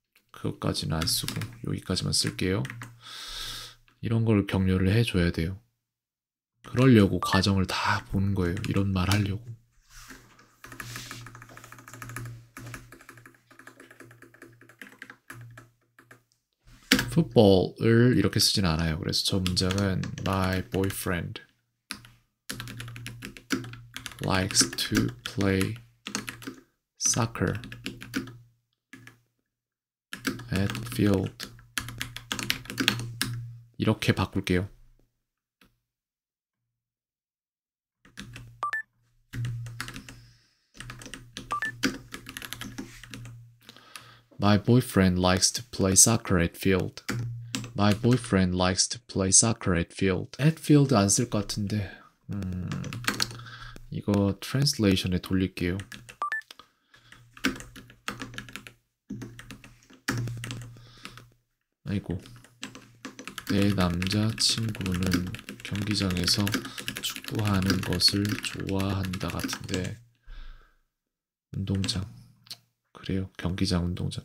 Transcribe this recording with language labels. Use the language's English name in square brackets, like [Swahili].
[Korean] 그것까지는 안 쓰고 여기까지만 쓸게요. 이런 걸 격려를 해줘야 돼요. 그러려고 과정을 다 보는 거예요. 이런 말 하려고. 풋볼을 이렇게 쓰진 않아요. 그래서 저 문장은 [English] My boyfriend likes to play soccer at field. [Korean] 이렇게 바꿀게요. [English] My boyfriend likes to play soccer at field. My boyfriend likes to play soccer at field. [Korean] At field 안쓸것 같은데. 이거 translation에 돌릴게요. 아이고. 내 남자친구는 경기장에서 축구하는 것을 좋아한다 같은데. 운동장. 그래요. 경기장, 운동장.